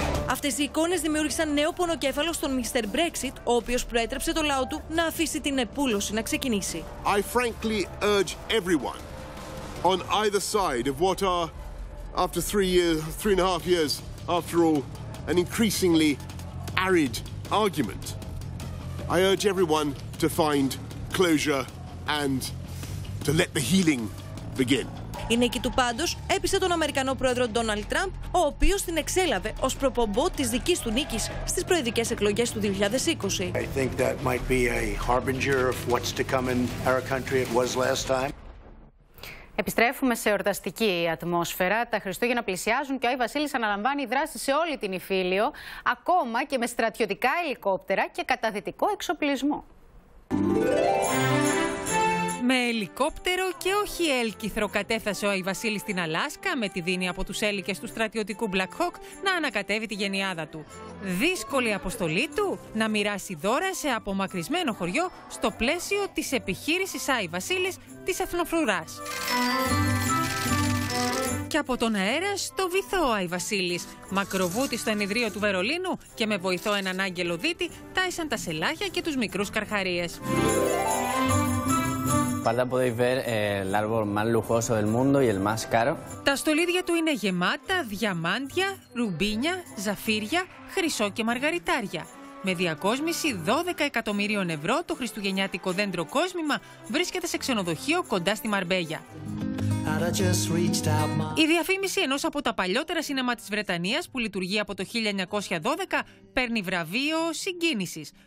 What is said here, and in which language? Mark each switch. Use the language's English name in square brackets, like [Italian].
[Greek] Αυτές οι εικόνες δημιούργησαν νέο πονοκέφαλο στον Mr. Brexit, ο οποίος προέτρεψε το λαό του να αφήσει την επούλωση να ξεκινήσει. [English] I frankly urge everyone on either side of what are, after three and a half years, after all, an increasingly arid argument. I urge everyone to find closure and to let the healing begin. [Greek] Η νίκη του πάντως έπεισε τον Αμερικανό πρόεδρο Ντόναλντ Τραμπ, ο οποίος την εξέλαβε ως προπομπό της δικής του νίκης στις προεδρικές εκλογές του 2020. [English] I think that might be a harbinger of what's to come in our country. It was last time. [Greek] Επιστρέφουμε σε εορταστική ατμόσφαιρα. Τα Χριστούγεννα πλησιάζουν και ο Άι Βασίλης αναλαμβάνει δράση σε όλη την Ιφίλιο, ακόμα και με στρατιωτικά ελικόπτερα και καταδυτικό εξοπλισμό. Με ελικόπτερο και όχι έλκυθρο κατέφθασε ο Άι Βασίλης στην Αλάσκα με τη δίνη από τους έλικες του στρατιωτικού Black Hawk να ανακατεύει τη γενιάδα του. Δύσκολη αποστολή του να μοιράσει δώρα σε απομακρυσμένο χωριό στο πλαίσιο της επιχείρησης Άι Βασίλης της Εθνοφρουράς. Και από τον αέρα στο βυθό ο Άι Βασίλης. Μακροβούτι στο ενηδρίο του Βερολίνου και με βοηθό έναν άγγελο δίτη τάισαν τα σελάχια και τους μικρούς καρχαρίες. Πάντα [Spanish] podéis ver el árbol más lujoso del mundo y el más caro. [Greek] Τα στολίδια του είναι γεμάτα διαμάντια, ρουμπίνια, ζαφύρια, χρυσό και μαργαριτάρια. Με διακόσμηση 12 εκατομμυρίων ευρώ, το χριστουγεννιάτικο δέντρο κόσμημα βρίσκεται σε ξενοδοχείο κοντά στη Μαρμπέγια. Η διαφήμιση ενός από τα παλιότερα σινεμά της Βρετανίας που λειτουργεί από το 1912 παίρνει βραβείο συγκίνησης.